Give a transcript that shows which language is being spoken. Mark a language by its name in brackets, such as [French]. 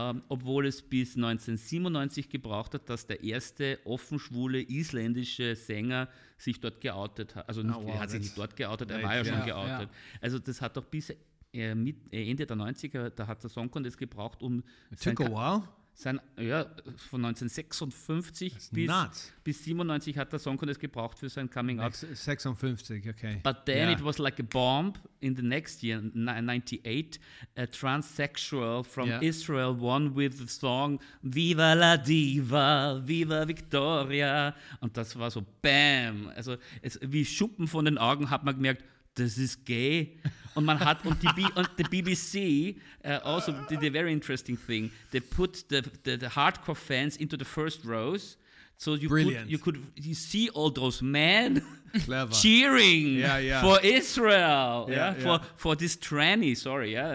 [German] obwohl es bis 1997 gebraucht hat, dass der erste offen schwule isländische Sänger sich dort geoutet hat, also nicht, hat sich nicht dort geoutet, er war ja schon geoutet, also das hat doch bis Ende der 90er, da hat der Song Contest gebraucht, um von 1956 bis 97 hat der Song Contest gebraucht für sein Coming Out. 56, okay. [English] But then it was like a bomb in the next year, 98, a transsexual from Israel won with the song Viva la Diva, Viva Victoria. [German] Und das war so bam. Also wie Schuppen von den Augen hat man gemerkt, das ist gay. Und man hat, und die BBC also [English] did a very interesting thing. They put the hardcore fans into the first rows. So you see all those men cheering for Israel. Yeah, yeah. For this tranny, sorry. Yeah,